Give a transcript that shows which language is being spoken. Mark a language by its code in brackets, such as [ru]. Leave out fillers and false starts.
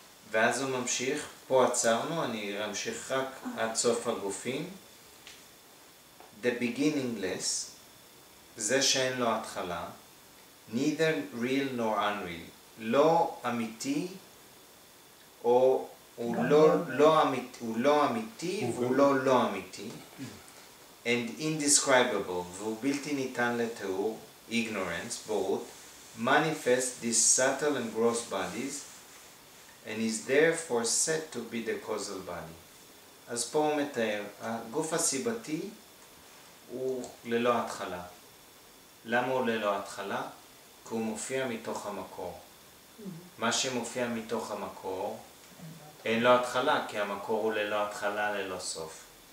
[he] ואז הוא ממשיך, פה עצרנו, אני אמשיך רק עד סוף הגופים. [en] The beginningless, [he] זה שאין לו התחלה, [en] neither real nor unreal, [he] לא אמיתי או... הוא לא אמיתי והוא לא אמיתי [en] and indescribable [he] והוא בלתי ניתן לתיאור [en] ignorance, [he] בורות [en] manifest these subtle and gross bodies and is therefore said to be the causal body. [he] אז פה הוא מתאר הגוף הסיבתי הוא ללא התחלה. למה הוא ללא התחלה? כי הוא מופיע מתוך המקור. מה שמופיע מתוך המקור אין לו התחלה, כי המקור הוא ללא התחלה, ללא סוף.